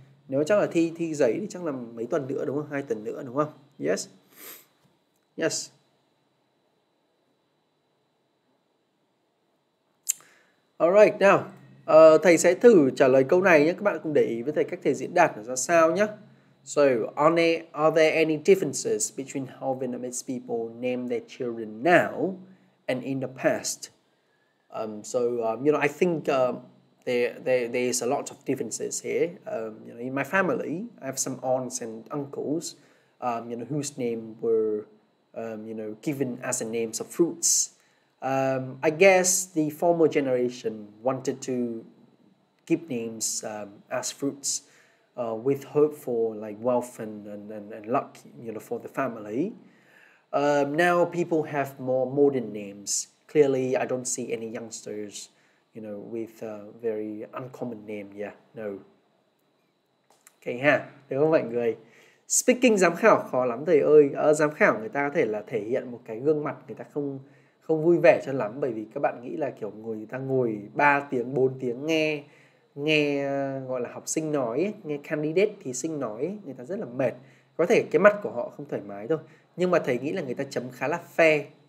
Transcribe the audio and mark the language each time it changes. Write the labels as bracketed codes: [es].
[vi] Nếu chắc là thi giấy thì chắc là mấy tuần nữa, đúng không? 2 tuần nữa, đúng không? Yes. Yes. [en] Alright, now. [vi] Thầy sẽ thử trả lời câu này nhé. Các bạn cùng để ý với thầy cách thầy diễn đạt nó ra sao nhé. [en] So, are there any differences between how Vietnamese people name their children now and in the past? You know, I think there is a lot of differences here. You know, in my family, I have some aunts and uncles, you know, whose name were, you know, given as the names of fruits. I guess the former generation wanted to keep names as fruits. With hope for like wealth and luck, you know, for the family. Now people have more modern names. Clearly, I don't see any youngsters, you know, with a very uncommon name. Yeah, no. Okay, [vi] ha. Được không mọi người? Speaking giám khảo khó lắm thầy ơi. Giám khảo người ta có thể là thể hiện một cái gương mặt người ta không vui vẻ cho lắm, bởi vì các bạn nghĩ là kiểu người ta ngồi 3 tiếng 4 tiếng nghe gọi là học sinh nói ấy, nghe candidate thí sinh nói ấy, người ta rất là mệt, có thể cái mặt của họ không thoải mái thôi, nhưng mà thầy nghĩ là người ta chấm khá là fair.